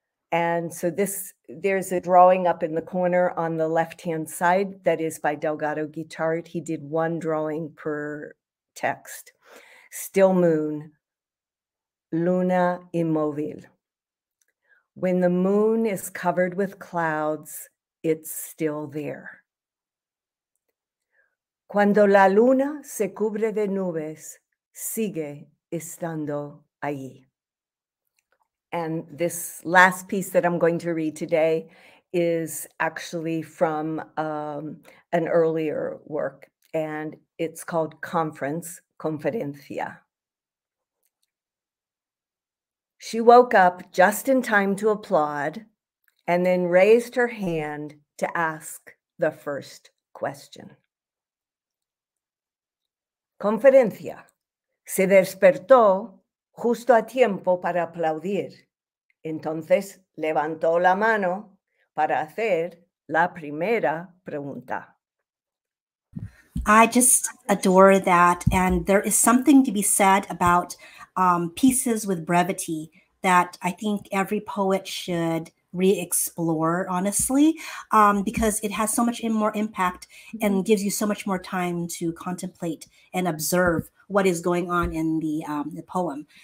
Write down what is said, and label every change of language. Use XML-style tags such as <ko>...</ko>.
<en>And so this, there's a drawing up in the corner on the left-hand side that is by Delgado Guitart. He did one drawing per text. Still moon, luna immobile. When the moon is covered with clouds, it's still there.</en> <es>Cuando la luna se cubre de nubes, sigue estando allí.</es> <en>And this last piece that I'm going to read today is actually from an earlier work, and it's called Conference, Conferencia. She woke up just in time to applaud and then raised her hand to ask the first question.</en> <es>Conferencia. Se despertó justo a tiempo para aplaudir. Entonces levantó la mano para hacer la primera pregunta.</es> <en>I just adore that. And there is something to be said about pieces with brevity that I think every poet should re-explore, honestly, because it has so much more impact and gives you so much more time to contemplate and observe what is going on in the poem.</en>